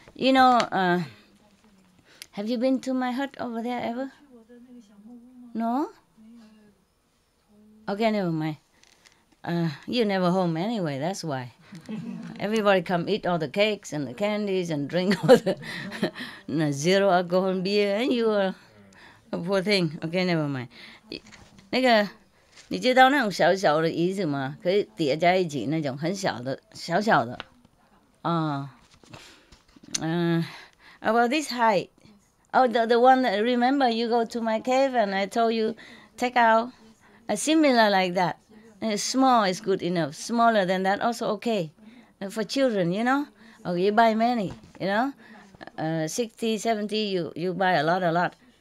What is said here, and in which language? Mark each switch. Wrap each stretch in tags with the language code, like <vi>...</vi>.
<en>You know, have you been to my hut over there ever? No? Okay, never mind. You're never home anyway, that's why. Everybody come eat all the cakes and the candies and drink all the zero alcohol beer, and you are a poor thing. Okay, never mind.</en> <zh>那个，你知道那种小小的椅子吗？可以叠在一起那种很小的，小小的。</zh> <en>About this height. Oh, the one that, remember you go to my cave and I told you, take out a similar like that. Small is good enough. Smaller than that, also okay. For children, you know? Oh, you buy many, you know? 60, 70, you buy a lot.</en>